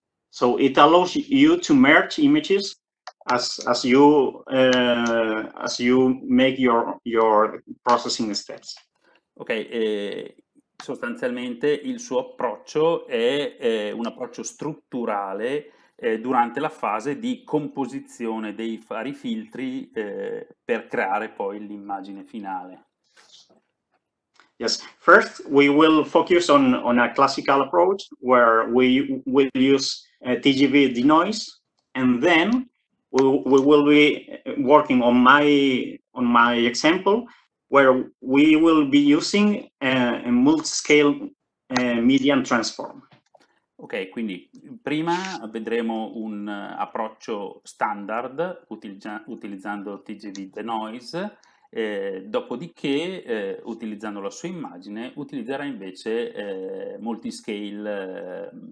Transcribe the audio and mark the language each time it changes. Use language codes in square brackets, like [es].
[en] So it allows you to merge images as you make your processing steps. [it] Ok, sostanzialmente il suo approccio è un approccio strutturale durante la fase di composizione dei vari filtri per creare poi l'immagine finale. [en] Yes, first we will focus on a classical approach where we will use TGV denoise, and then we will be working on my example where we will be using a multi-scale median transform. [it] Ok, quindi prima vedremo un approccio standard utilizzando TGV denoise, dopodiché utilizzando la sua immagine utilizzerà invece multi-scale